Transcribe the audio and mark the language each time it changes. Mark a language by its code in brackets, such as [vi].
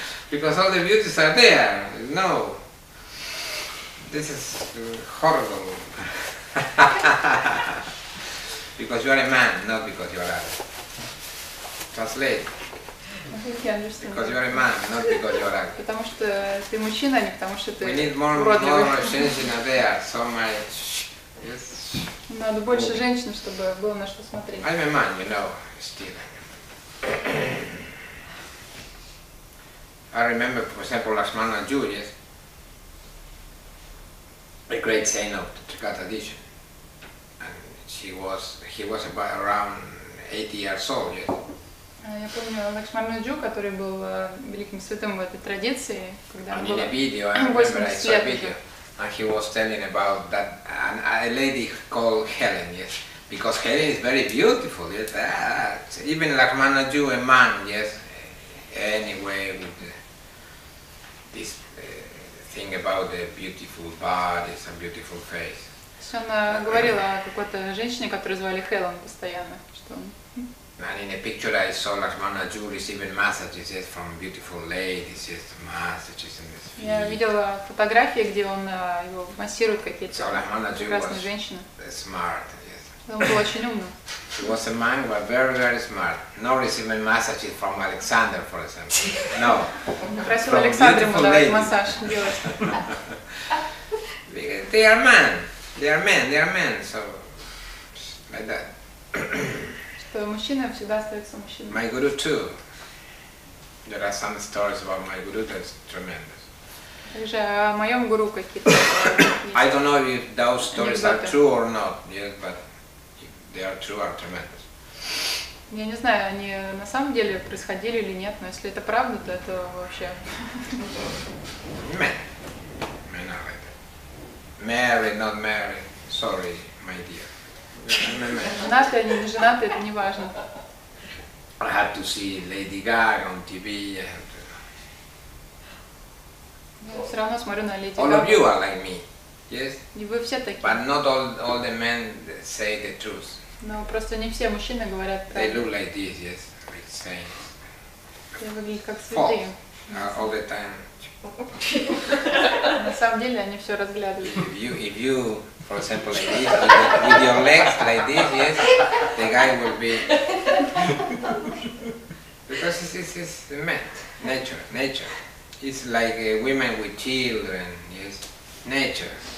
[en] Because all the beauties are there. No. This is horrible. Because you are a man, not because you are a... Translate. Because you are a man, not because you are a... [ru] Потому что ты мужчина, не потому что ты... [en] We need more [ru] женщина [en] there, so my... Yes. [ru] Надо больше женщин, чтобы было на что смотреть. [en] I'm a man, you know, still. I remember, for example, Lakshmana Julius, a great saint of the Trikha tradition. And he was about around 80 years old, yes. [ru] Я помню Лакшмана Джу, который был великим святым в этой традиции, когда он был 80 лет. [en] And he was telling about that a lady called Helen, yes, because Helen is very beautiful, yes. Even Lakshmana Ju, a man, yes, anyway, with this thing about the beautiful body, some beautiful face. She [ru] говорила о какой-то женщине, которую звали Хелен постоянно, что. [en] And in a picture I saw Lakshmana Ju receiving massages, yes, from beautiful ladies, yes, massages in his feet. [ru] Я видела фотографии, где он его массирует какие-то прекрасные женщины. [en] Smart, yes. [ru] Он был очень умным. [en] He was a man, but very, very smart. Not receiving massages from Alexander, for example. No. [ru] Он просил Александра ему давать массаж делать. [en] They are men. They are men. So, like that. [ru] То мужчина всегда остается мужчиной. [en] My guru too. There are some stories about my guru that's tremendous. [ru] Также о моем гуру какие-то. [en] I don't know if those stories are true or not, yes, but if they are true, are tremendous. [ru] Я не знаю, они на самом деле происходили или нет, но если это правда, то это вообще. [en] Men are like that. Married, not married. Sorry, my dear. [ru] Женаты или не женаты, это не важно. [en] I have to see Lady Gaga on TV. [ru] Я все равно смотрю на Lady Gaga. [en] All of you are like me, yes? [ru] И вы все такие. [en] But not all the men say the truth. [ru] Но просто не все мужчины говорят правду. [en] They look like this, yes, like saints. [ru] Я выгляжу как святые. [en] All the time. [ru] На самом деле они все разглядывают. [en] If you for example, like this, with your legs like this, yes, the guy will be. Because it's meant, nature. It's like a woman with children, yes, nature.